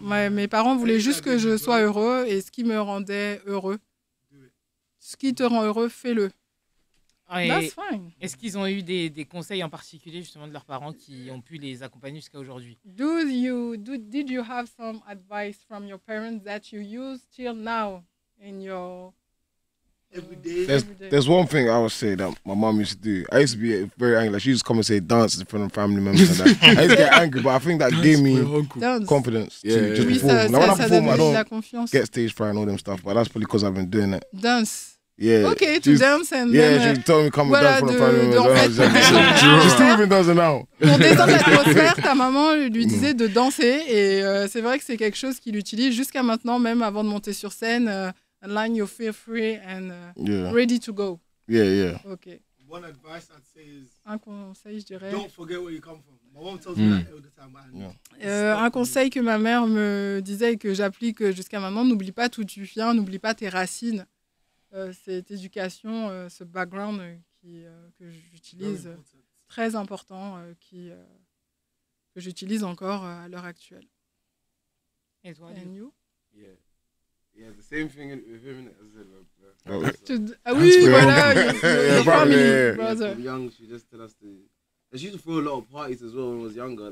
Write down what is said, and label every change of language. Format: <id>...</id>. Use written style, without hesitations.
<fr>Mes parents voulaient juste que je sois heureux et ce qui me rendait heureux. Ce qui te rend heureux, fais-le.</fr> <en>Ah, that's fine.</en> <fr>Est-ce qu'ils ont eu des conseils en particulier justement de leurs parents qui ont pu les accompagner jusqu'à aujourd'hui?</fr> <en>Did you have some advice from your parents that you use till now in your everyday? There's one thing I would say that my mom used to do. I used to be very angry. Like, she used to come and say dance in front of family members. And that. I used to get angry, but I think that gave me confidence. Yeah, to perform. Ça, when I perform, I don't get stage fright and all them stuff, but that's probably because I've been doing it. Dance. Yeah. Okay, to she's, dance and yeah, then. Yeah, she told me come and dance in front of family members. Well, she still even does it now.</en> <fr>Pour détendre l'atmosphère, ta maman lui disait de danser. Et c'est vrai que c'est quelque chose qu'il utilise jusqu'à maintenant, même avant de monter sur scène.</fr> <en>Align your feel free and ready to go. Yeah, yeah. Okay. One advice I'd say is</en> <fr>un conseil, je dirais,</fr> <en>don't forget where you come from. My mom tells me that all the time.</en> <fr>Un conseil que ma mère me disait et que j'applique jusqu'à maintenant, n'oublie pas d'où tu viens, n'oublie pas tes racines. Cette éducation, ce background que j'utilise, très important, que j'utilise encore à l'heure actuelle. Et toi,</fr> <en>and you? Yeah. Yeah, the same thing with him as well. From young, she just tells us to. And she used to throw a lot of parties as well when I was younger.</en>